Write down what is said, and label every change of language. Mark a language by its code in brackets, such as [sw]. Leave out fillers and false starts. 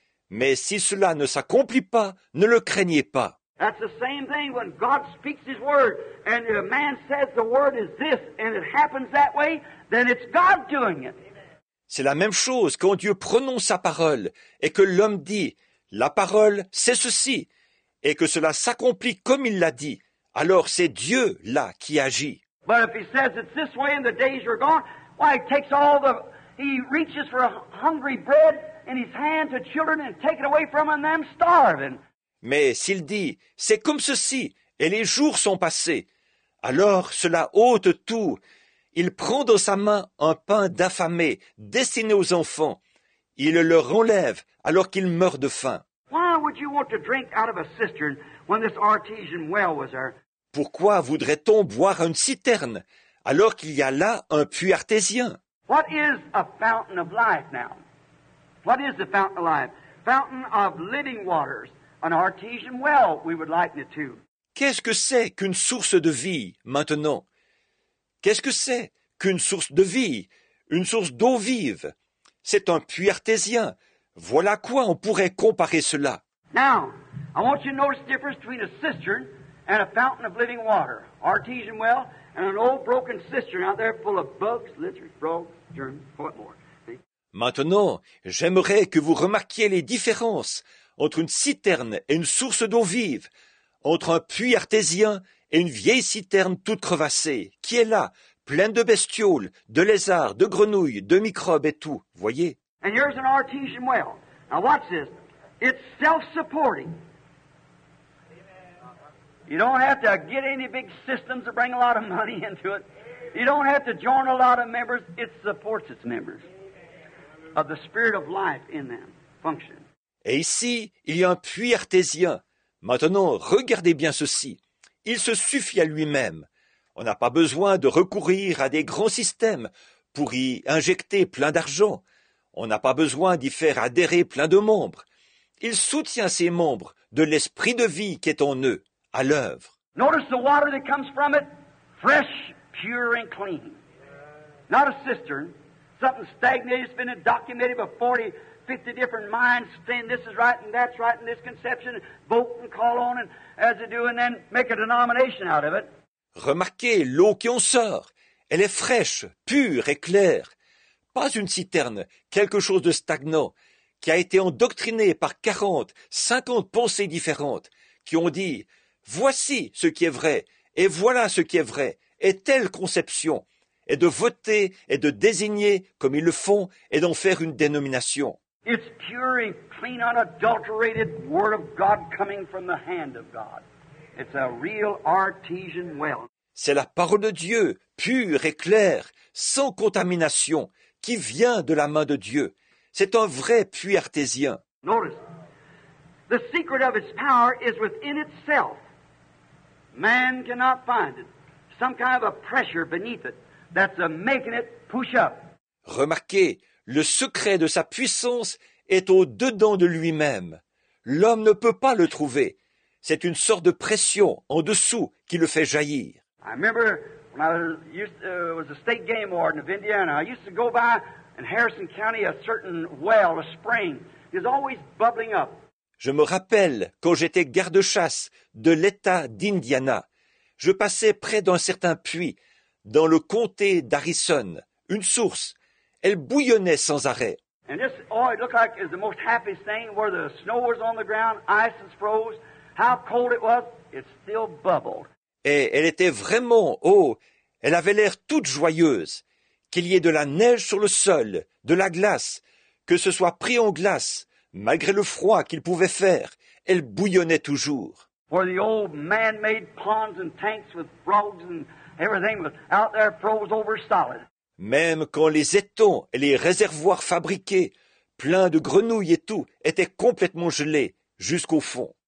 [fr] Mais si cela ne s'accomplit pas, ne le craignez pas. [en] That's the same thing when God speaks his word and a man says the word is this and it happens that way, then it's God doing it. [fr] C'est la même chose quand Dieu prononce sa parole et que l'homme dit la parole c'est ceci et que cela s'accomplit comme il l'a dit, alors c'est Dieu là qui agit. [en] But if he says it's this way and the days are gone, why it takes all the he reaches for a hungry bread in his hand to children and take it away from them starving. [fr] Mais s'il dit, c'est comme ceci, et les jours sont passés, alors cela ôte tout. Il prend dans sa main un pain d'affamé destiné aux enfants. Il le leur enlève alors qu'ils meurent de faim. [en] Why would you want to drink out of a cistern when this artesian well was there? [fr] Pourquoi voudrait-on boire une citerne alors qu'il y a là un puits artésien? [en] What is a fountain of life now? What is the fountain of life? Fountain of living waters. An artesian well, we would liken it to. [fr] Qu'est-ce que c'est qu'une source de vie maintenant? Qu'est-ce que c'est qu'une source de vie? Une source d'eau vive. C'est un puits artésien. Voilà à quoi on pourrait comparer cela. [en] Now, I want you to notice the difference between a cistern and a fountain of living water. Artesian well and an old broken cistern out there full of bugs, lizards, frogs, germs, whatever. [fr] Maintenant, j'aimerais que vous remarquiez les différences entre une citerne et une source d'eau vive, entre un puits artésien et une vieille citerne toute crevassée, qui est là, pleine de bestioles, de lézards, de grenouilles, de microbes et tout, voyez. [en] And here's an artesian well. Now watch this. It's self-supporting. You don't have to get any big systems to bring a lot of money into it. You don't have to join a lot of members. It supports its members of the spirit of life in them function. [fr] Et ici, il y a un puits artésien. Maintenant, regardez bien ceci. Il se suffit à lui-même. On n'a pas besoin de recourir à des grands systèmes pour y injecter plein d'argent. On n'a pas besoin d'y faire adhérer plein de membres. Il soutient ses membres de l'esprit de vie qui est en eux, à l'œuvre. [en] Notice the water that comes from it, fresh, pure and clean. Not a cistern. Something stagnant has been documented by 40-50 different minds saying this is right and that's right and this conception, vote and call on and as they do and then make a denomination out of it. [fr] Remarquez l'eau qui en sort. Elle est fraîche, pure et claire. Pas une citerne, quelque chose de stagnant, qui a été endoctriné par 40-50 pensées différentes, qui ont dit « voici ce qui est vrai, et voilà ce qui est vrai, et telle conception, et de voter, et de désigner, comme ils le font, et d'en faire une dénomination. » [en] It's pure and clean, unadulterated word of God coming from the hand of God. It's a real artesian well. [fr] C'est la parole de Dieu, pure et claire, sans contamination, qui vient de la main de Dieu. C'est un vrai puits artésien. [en] Notice, the secret of its power is within itself. Man cannot find it. Some kind of a pressure beneath it that's making it push up. [fr] Remarquez, le secret de sa puissance est au-dedans de lui-même. L'homme ne peut pas le trouver. C'est une sorte de pression en dessous qui le fait jaillir. [en] I remember when I was a state game warden of Indiana, I used to go by in Harrison County a certain well, a spring. It's always bubbling up. [fr] Je me rappelle quand j'étais garde-chasse de l'État d'Indiana. Je passais près d'un certain puits dans le comté d'Harrison, une source. Elle bouillonnait sans arrêt. [en] And this all it looked like is the most happiest thing where the snow was on the ground, ice is froze. How cold it was, it still bubbled. [fr] Et elle était vraiment, oh, elle avait l'air toute joyeuse. Qu'il y ait de la neige sur le sol, de la glace, que ce soit pris en glace, malgré le froid qu'il pouvait faire, elle bouillonnait toujours. [en] Where the old man-made ponds and tanks with frogs and everything was out there froze over solid. [fr] Même quand les étangs et les réservoirs fabriqués, pleins de grenouilles et tout, étaient complètement gelés jusqu'au fond.